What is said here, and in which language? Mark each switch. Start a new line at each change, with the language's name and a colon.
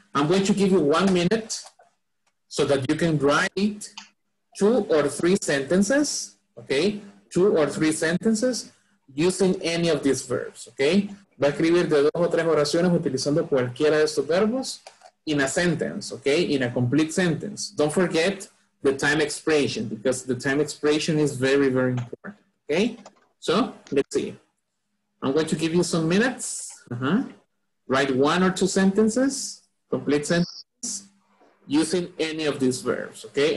English: I'm going to give you 1 minute so that you can write 2 or 3 sentences, okay? 2 or 3 sentences using any of these verbs, okay?
Spanish: Va a escribir de 2 o 3 oraciones utilizando cualquiera de estos verbos
English: in a sentence,
Spanish: okay?
English: In a complete sentence. Don't forget the time expiration, because the time expiration is very, very important, okay? So, let's see. I'm going to give you some minutes. Uh-huh. Write 1 or 2 sentences, complete sentences, using any of these verbs, okay?